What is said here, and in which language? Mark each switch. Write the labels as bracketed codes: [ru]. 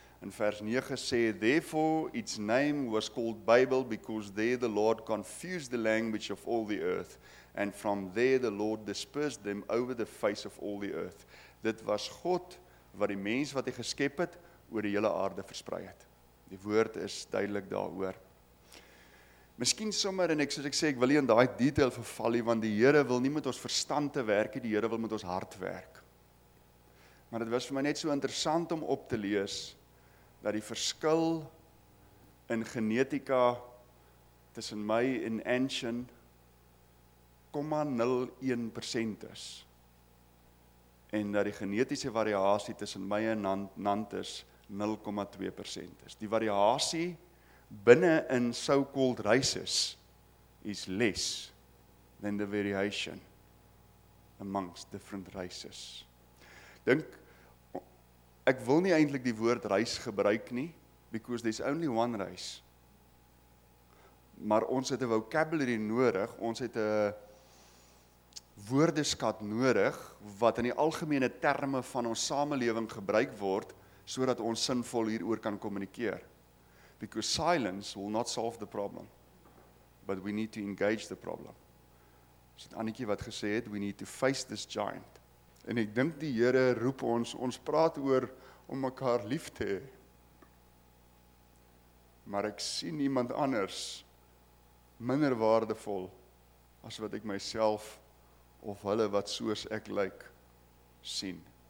[af] In vers 9 sê, [en] therefore its name was called Babel because there the Lord confused the language of all the earth and from there the Lord dispersed them over the face of all the earth. [af] Dit was God wat die mens wat hy geskep het oor die hele aarde versprei het. Die woord is duidelik daaroor. Miskien sommer en ek wil nie in daai detail verval nie want die Here wil nie met ons verstand te werk nie, die Here wil met ons hart werk. Maar dit was vir my net so interessant om op te lees dat die verskil in genetika tussen my en Anshin 0,01% is en dat die genetiese variasie tussen my en Nantes 0,2% is. Die variasie binne in [en] so-called races is less than the variation amongst different races. [af] Ek wil nie eintlik die woord reis gebruik nie, [en] because there's only one reis. [af] Maar ons het 'n vocabulary nodig, ons het 'n woordeskat nodig, wat in die algemene terme van ons samelewing gebruik word, sodat ons sinvol hieroor kan kommunikeer. [en] Because silence will not solve the problem, but we need to engage the problem. [af] Is dit Annetjie wat gesê het, [en] we need to face this giant. [af] En ek dink die Here roep ons praat oor om mekaar lief te hê. Maar ek sien iemand anders minder waardevol as wat ek myself of hulle wat soos ek lyk sien.